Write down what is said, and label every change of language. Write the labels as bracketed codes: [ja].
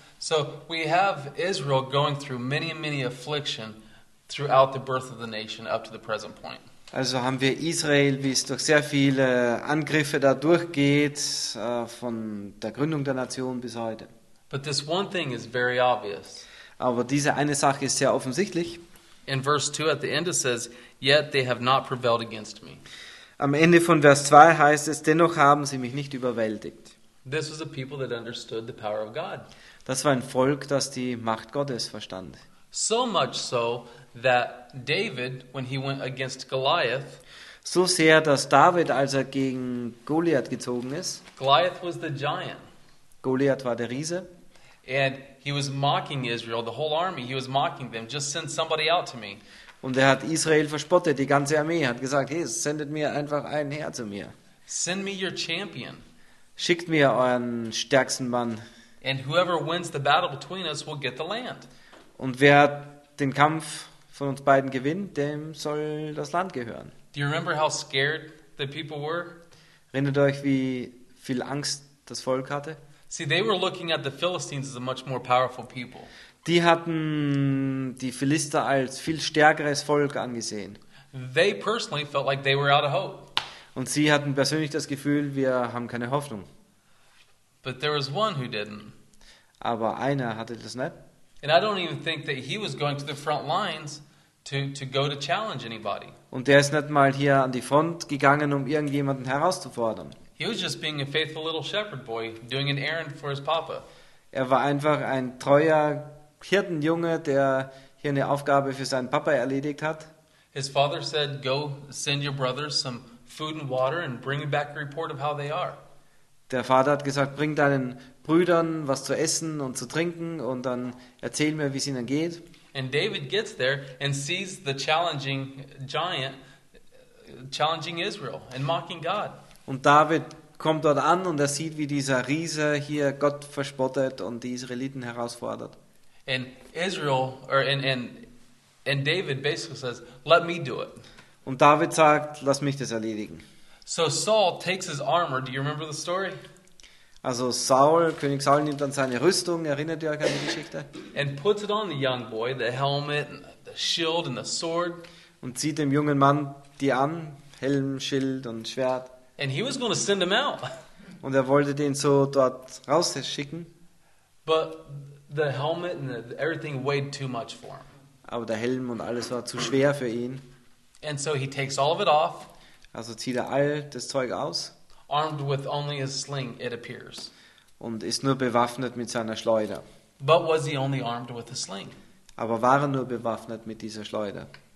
[en] So we have Israel going through many and many affliction throughout the birth of the nation up to the present point. [de] Also haben wir Israel, wie es durch sehr viele Angriffe da durchgeht, von der Gründung der Nation bis heute. [en] But this one thing is very obvious. [de] Aber diese eine Sache ist sehr offensichtlich. [en] In verse 2 at the end it says, yet they have not prevailed against me. [de] Am Ende von Vers 2 heißt es, dennoch haben sie mich nicht überwältigt. [en] This was a people that understood the power of God. [de] Das war ein Volk, das die Macht Gottes verstand. [en] So much so that David, when he went against Goliath, [de] so sehr, dass David, als er gegen Goliath gezogen ist, [en] Goliath was the giant. [de] Goliath war der Riese. [en] And he was mocking Israel, the whole army. He was mocking them. Just send somebody out to me. [de] Und er hat Israel verspottet, die ganze Armee, hat gesagt, hey, sendet mir einfach einen her zu mir. [en] Send me your champion. [de] Schickt mir euren stärksten Mann. [en] And whoever wins the battle between us will get the land. [de] Und wer den Kampf von uns beiden gewinnt, dem soll das Land gehören. [en] Do you remember how scared the people were? [de] Erinnert euch, wie viel Angst das Volk hatte? [en] See, they were looking at the Philistines as a much more powerful people. [de] Die hatten die Philister als viel stärkeres Volk angesehen. [en] They personally felt like they were out of hope. [de] Und sie hatten persönlich das Gefühl, wir haben keine Hoffnung. [en] But there was one who didn't. [de] Aber einer hatte das nicht. [en] And I don't even think that he was going to the front lines to go to challenge anybody. [de] Und der ist nicht mal hier an die Front gegangen, um irgendjemanden herauszufordern. [en] He was just being a faithful little shepherd boy doing an errand for his papa. [de] Er war einfach ein treuer Hirtenjunge, der hier eine Aufgabe für seinen Papa erledigt hat. [en] His father said, "Go send your brothers some food and water and bring back a report of how they are." [de] Der Vater hat gesagt, bring deinen Brüdern was zu essen und zu trinken und dann erzähl mir, wie es ihnen geht. [en] And David gets there and sees the challenging giant challenging Israel and mocking God. [de] Und David kommt dort an und er sieht, wie dieser Riese hier Gott verspottet und die Israeliten herausfordert. [en] And Israel or and David basically says, "Let me do it." [de] Und David sagt, lass mich das erledigen. [en] So Saul takes his armor. Do you remember the story? [de] Also Saul, König Saul nimmt dann seine Rüstung. Erinnert ihr euch an die Geschichte? [en] And puts it on the young boy, the helmet, the shield, and the sword. [de] Und zieht dem jungen Mann die an, Helm, Schild und Schwert. [en] And he was going to send him out. [de] Und er wollte den so dort rausschicken. [en] But the helmet and everything weighed too much for him. [de] Aber der Helm und alles war zu schwer für ihn. [en] And so he takes all of it off. [de] Also zieht er all das Zeug aus. [en] Armed with only his sling, it appears. [de] Und ist nur bewaffnet mit seiner Schleuder. [en] But was he only armed with a sling? [de] Aber war er nur bewaffnet mit dieser Schleuder?